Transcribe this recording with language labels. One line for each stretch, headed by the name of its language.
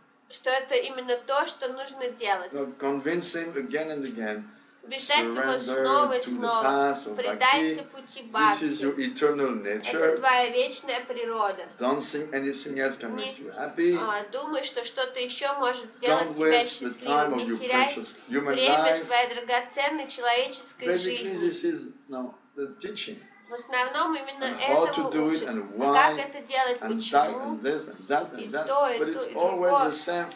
Russian: Что это именно то, что нужно делать.
English: Convince him again and again,
Russian: убеждать его снова и снова, предайте пути бхакти.
English: This is your eternal nature.
Russian: Это твоя вечная природа.
English: Don't think anything else can make you happy.
Russian: Думай, что что-то еще может сделать тебя счастливым. Не теряй время своей драгоценной человеческой жизни. В основном именно этому учат. Как это делать, почему, и то.